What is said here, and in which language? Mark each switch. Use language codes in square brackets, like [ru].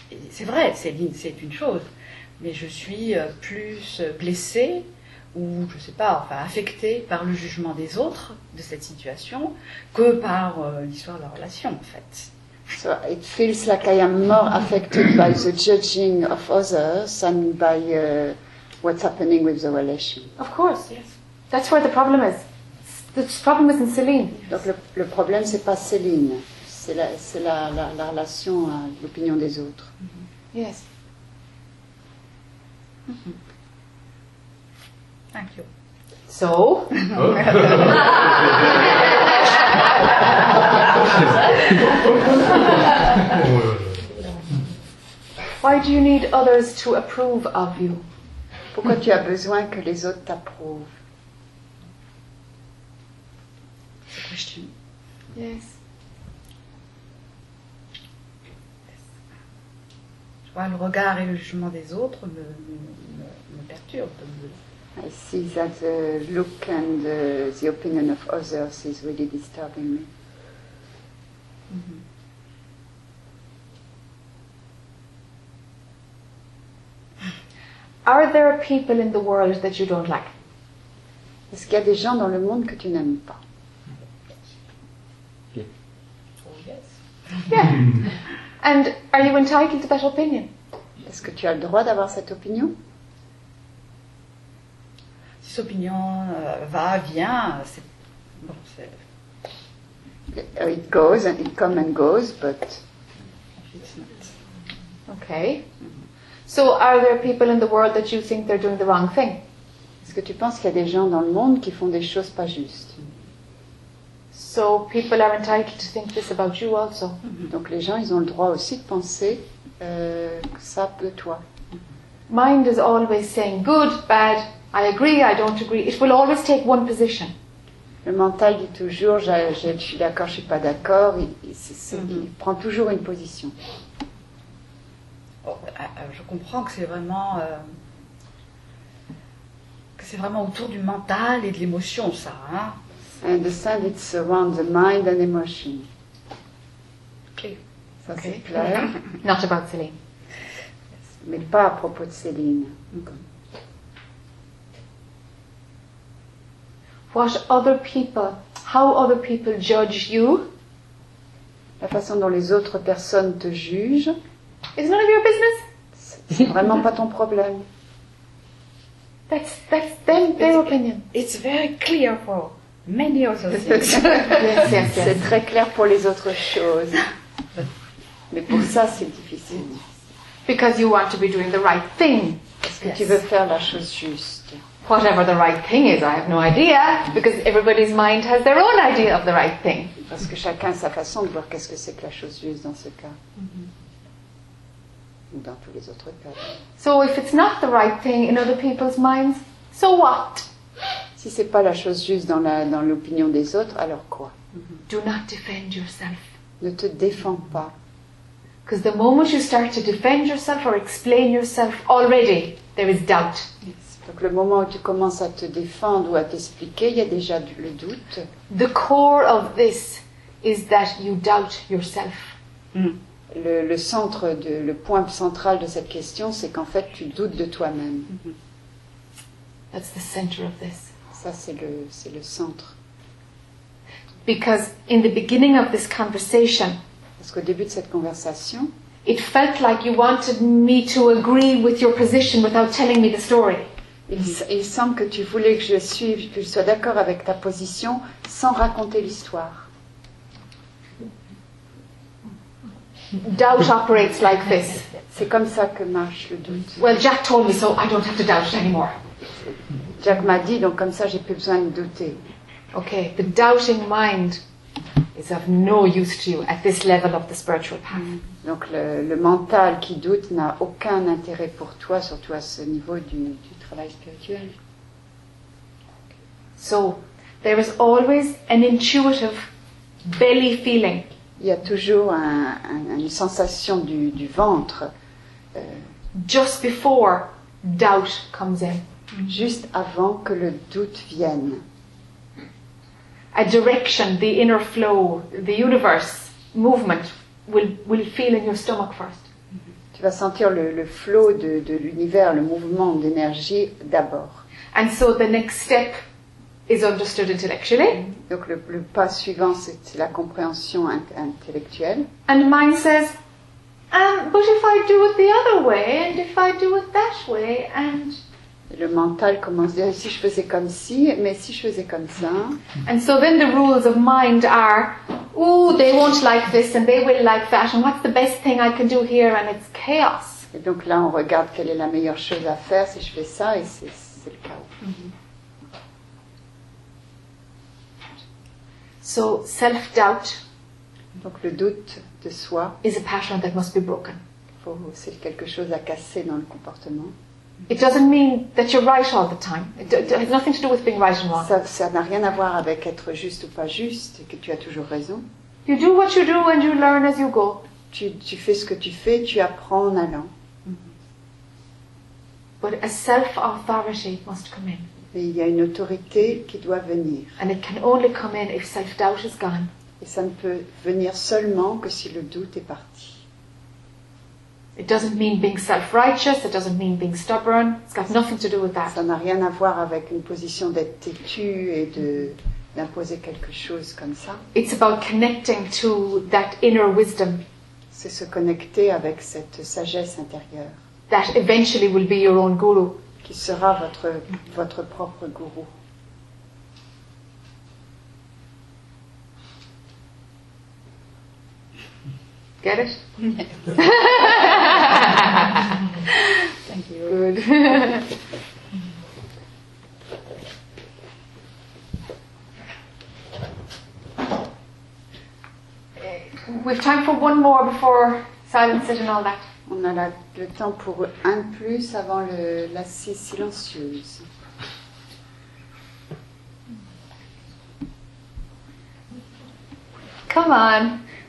[fr] c'est vrai, Céline, c'est une chose, mais je suis plus blessée ou, je ne sais pas, enfin, affectée par le jugement des autres de cette situation que par l'histoire de la relation, en fait. [en] So it feels like I am more affected by the judging of others than by what's happening with the relation. Of course, yes. That's where the problem is. The problem isn't Céline. Yes. [fr] Donc le problème, ce n'est pas Céline. C'est la relation à l'opinion des autres. [en] Mm-hmm. Yes. Thank you. So? Why do you need others to approve of you? [fr] Pourquoi tu as besoin que les autres t'approuvent? [en] The question. Yes. [fr] Je vois le regard et le jugement des autres me perturbent. [en] I see that the look and the opinion of others is really disturbing me. Are there people in the world that you don't like? [fr] Est-ce qu'il y a des gens dans le monde que tu n'aimes pas? [en] Yes. Oh, yes. Yeah. And are you entitled to that opinion? [fr] Est-ce que tu as le droit d'avoir cette opinion? Cette opinion va, vient, c'est... [en] It goes, and it comes and goes, but... It's not. Okay. So, are there people in the world that you think they're doing the wrong thing? [fr] Est-ce que tu penses qu'il y a des gens dans le monde qui font des choses pas justes? [en] So, people are entitled to think this about you also. [fr] Donc, les gens, ils ont le droit aussi de penser ça de toi. [en] Mind is always saying good, bad... I agree, I don't agree. It will always take one position. [fr] Le mental dit toujours, je suis d'accord, je ne suis pas d'accord. Il prend toujours une position. Oh, je comprends que c'est vraiment autour du mental et de l'émotion, ça. Hein? [en] I understand it's around the mind and emotion. Clear. [fr] Ça, okay. C'est clair. [en] Not about Céline. [fr] Mais pas à propos de Céline. [en] What other people, how other people judge you? [fr] La façon dont les autres personnes te jugent. [en] It's none of your business. [fr] C'est vraiment pas ton problème. [en] That's their opinion. It's very clear for many other things. Yes, yes, yes. [fr] C'est très clair pour les autres choses. Mais pour ça, c'est difficile. [en] Because you want to be doing the right thing. [fr] Parce que yes. Tu veux faire la chose juste. [en] Whatever the right thing is, I have no idea. Because everybody's mind has their own idea of the right thing. [fr] Parce que chacun a sa façon de voir qu'est-ce que c'est que la chose juste dans ce cas. Mm-hmm. Ou dans tous les autres cas. [en] So if it's not the right thing in other people's minds, so what? [fr] Si c'est pas la chose juste dans, dans l'opinion des autres, alors quoi? [en] Mm-hmm. Do not defend yourself. [fr] Ne te défends pas. [en] Because the moment you start to defend yourself or explain yourself, already there is doubt. Yes. [fr] Donc le moment où tu commences à te défendre ou à t'expliquer, il y a déjà le doute. [en] The core of this is that you doubt yourself. Mm. [fr] Le centre de, le point central de cette question, c'est qu'en fait tu doutes de toi-même. [en] Mm-hmm. That's the center of this. [fr] Ça c'est le centre. [en] Because in the beginning of this conversation. [fr] Parce qu'au début de cette conversation, [en] it felt like you wanted me to agree with your position without telling me the story. [fr] Il semble que tu voulais que je suive, que je sois d'accord avec ta position sans raconter l'histoire. [en] Doubt operates like this. [fr] C'est comme ça que marche le doute. [en] Well, Jack told me, so I don't have to doubt anymore. [fr] Jack m'a dit, donc comme ça, j'ai plus besoin de douter. [en] Okay, the doubting mind. It's of no use to you at this level of the spiritual path. [fr] Donc le mental qui doute n'a aucun intérêt pour toi, surtout à ce niveau du travail spirituel. [en] So there is always an intuitive belly feeling. [fr] Il y a toujours une sensation du ventre. [en] Just before doubt comes in. [fr] Juste avant que le doute vienne. [en] A direction, the inner flow, the universe movement will feel in your stomach first. [fr] Tu vas sentir le flow de l'univers, le mouvement d'énergie d'abord. [en] And so the next step is understood intellectually. [fr] Donc le pas suivant c'est la compréhension intellectuelle. [en] And mind says, but if I do it the other way, and if I do it that way, and [fr] le mental commence à dire si je faisais comme ci, mais si je faisais comme ça. [en] And so then the rules of mind are, ooh, they won't like this and they will like that. And what's the best thing I can do here? And it's chaos. [fr] Et donc là, on regarde quelle est la meilleure chose à faire si je fais ça et c'est le chaos. Mm-hmm. [en] So self-doubt. [fr] Donc le doute de soi. [en] Is a pattern that must be broken. [fr] C'est quelque chose à casser dans le comportement. [en] It doesn't mean that you're right all the time. It has nothing to do with being right and wrong. [fr] Ça n'a rien à voir avec être juste ou pas juste, et que tu as toujours raison. [en] You do what you do and you learn as you go. [fr] Tu fais ce que tu fais, tu apprends en allant. [en] Mm-hmm. But a self-authority must come in. [fr] Mais il y a une autorité qui doit venir. [en] And it can only come in if self-doubt is gone. [fr] Et ça ne peut venir seulement que si le doute est parti. [en] It doesn't mean being self-righteous, it doesn't mean being stubborn, it's got nothing to do with that. [fr] Ça n'a rien à voir avec une position d'être têtu et d'imposer quelque chose comme ça. [en] It's about connecting to that inner wisdom. [fr] C'est se connecter avec cette sagesse intérieure. [en] That eventually will be your own guru. [fr] Qui sera votre propre guru. [en] Get it? Thank you. Good. We have time for one more before silent sit and all that. [fr] On a le temps pour un plus avant l'assise silencieuse. [en] Come on.